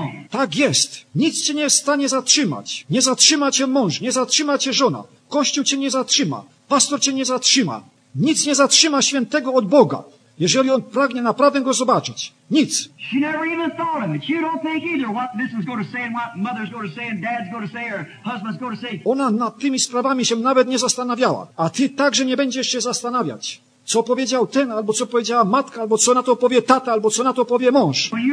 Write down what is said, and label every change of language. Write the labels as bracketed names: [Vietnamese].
[Polish] Tak jest. Nic cię nie jest w stanie zatrzymać. Nie zatrzyma cię mąż, nie zatrzyma cię żona. Kościół cię nie zatrzyma. Pastor cię nie zatrzyma. Nic nie zatrzyma świętego od Boga, jeżeli on pragnie naprawdę go zobaczyć. Nic. [English] She never even thought of it. You don't think either what this is going to say and what mother's going to say and dad's going to say or husband's going to say. [Polish] Ona nad tymi sprawami się nawet nie zastanawiała. A ty także nie będziesz się zastanawiać, co powiedział ten, albo co powiedziała matka, albo co na to powie tata, albo co na to powie mąż.